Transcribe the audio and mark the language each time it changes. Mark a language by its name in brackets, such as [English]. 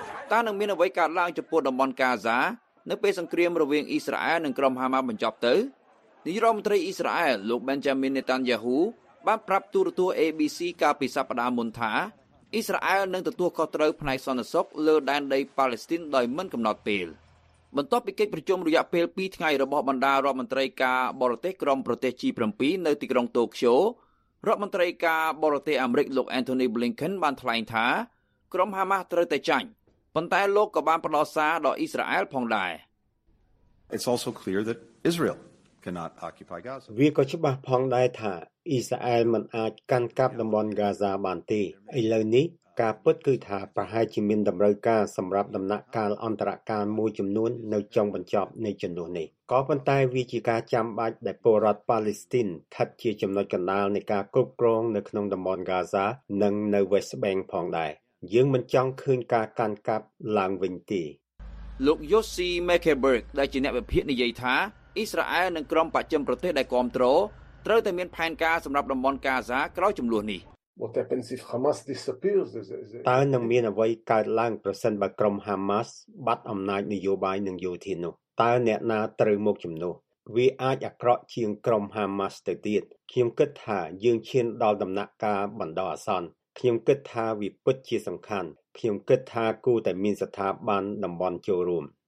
[Khmer] តើនឹងមានអ្វីកើតឡើងចំពោះតំបន់ហ្គាហ្សានៅពេលសង្គ្រាមរវាងអ៊ីស្រាអែលនិងក្រុមហាម៉ាបញ្ចប់ទៅនាយករដ្ឋមន្ត្រីអ៊ីស្រាអែលលោក Benjamin Netanyahu បានប្រាប់ទូរទស្សន៍ ABC កាលពីសប្តាហ៍មុនថាអ៊ីស្រាអែលនឹងទទួលខុសត្រូវផ្នែកសន្តិសុខលើដែនដីប៉ាឡេស្ទីនដោយមិនកំណត់ពេលបន្ទាប់ពីកិច្ចប្រជុំរយៈពេល2ថ្ងៃរបស់បណ្ដារដ្ឋមន្ត្រីការបរទេសក្រុមប្រទេស G7 នៅទីក្រុងតូក្យូ រដ្ឋមន្ត្រីការបរទេសអាមេរិកលោក Anthony Blinken បានថ្លែងថាក្រុមហាម៉ាស់ត្រូវតែចាញ់ប៉ុន្តែលោកក៏បានផ្ដល់សារដល់អ៊ីស្រាអែលផងដែរ [English] It's also clear that Israel cannot occupy Gaza. [Khmer] វាក៏ច្បាស់ផងដែរថាអ៊ីស្រាអែលមិនអាចកាន់កាប់តំបន់ហ្គាហ្សាបានទេឥឡូវនេះការពិតគឺថាប្រហែលជាមានតម្រូវការសម្រាប់ដំណាក់កាលអន្តរកាលមួយចំនួននៅចុងបញ្ចប់នៃជំនួសនេះក៏ប៉ុន្តែវាជាការចាំបាច់ដែលពលរដ្ឋប៉ាឡេស្ទីនថាត់ជាចំណុចកណ្ដាលនៃការគ្រប់គ្រងនៅក្នុងតំបន់ហ្គាហ្សានិងនៅ West Bank ផងដែរយើងមិនចង់ឃើញការកាន់កាប់ឡើងវិញទេ លោក Yossi Mekeberg ដែលជាអ្នកវិភាគនិយាយថាអ៊ីស្រាអែលនិងក្រុមបច្ចឹមប្រទេសដែលគ្រប់គ្រងត្រូវតែមានផែនការសម្រាប់តំបន់ហ្គាហ្សាក្រោយចំនួននេះ [English] What happens if Hamas disappears? [Khmer] តើនឹងមានអ្វីកើតឡើងប្រសិនបើក្រុម Hamas បាត់អំណាចនយោបាយនិងយោធានោះតើអ្នកណាត្រូវមកជំនួសវាអាចអាក្រក់ជាងក្រុម Hamas ទៅទៀតខ្ញុំគិតថាយើងឈានដល់ដំណាក់កាលបន្តអាសន្នខ្ញុំគិតថាវាពិតជាសំខាន់ខ្ញុំគិតថាគួរតែមានស្ថាប័នតំបន់ចូលរួម